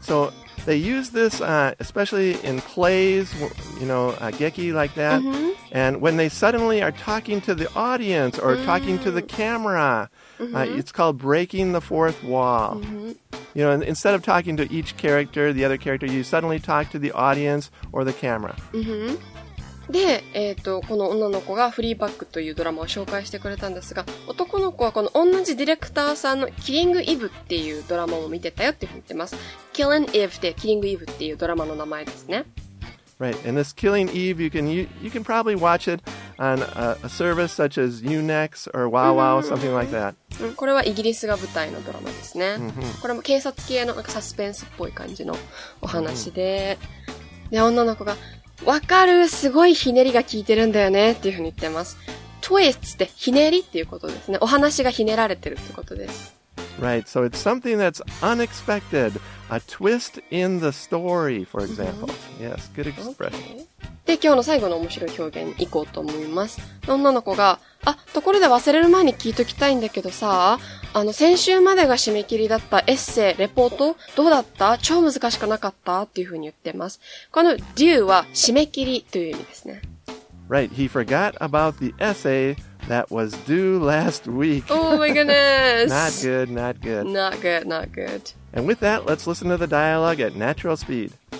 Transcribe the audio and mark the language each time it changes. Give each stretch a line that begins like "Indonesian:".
English: So they use this, especially in plays, you know, geki like that. Mm-hmm. And when they suddenly are talking to the audience or mm-hmm. talking to the camera, mm-hmm. It's called breaking the fourth wall. Mm-hmm. You know, instead of talking to each character, the other character, you suddenly talk to the audience or the camera. Mm-hmm.
Japanese: で、この女の子がフリーバッグというドラマを紹介してくれたんですが、男の子はこの同じディレクターさんのキリングイブっていうドラマを見てたよって言ってます。 Killing Eve でキリングイブっていうドラマの名前ですね。
English: Right, and this Killing Eve, you can probably watch it on a service such as Unext or WowWow, mm-hmm. something like that.
Japanese: これはイギリスが舞台のドラマですね。これも警察系のなんかサスペンスっぽい感じのお話で、mm-hmm. で、女の子がわかる、すごいひねりが効いてるんだよねっていうふうに言ってます。 Twist ってひねりっていうことですね。お話がひねられてるってことです。
English: Right, so it's something that's unexpected. A twist in the story, for example.、Mm-hmm. Yes, good expression.、 Okay.
Japanese: で、今日の最後の面白い表現に行こうと思います。女の子が、あ、ところで忘れる前に聞いときたいんだけどさ、先週までが締め切りだったエッセイ、レポート、どうだった？超難しくなかった？っていうふうに言ってます。この due は締め切りという意味ですね。
English: Right, he forgot about the essay that was due last week. Oh my goodness! Not good, not good. Not good, not good. And with that, let's listen to the dialogue at natural speed.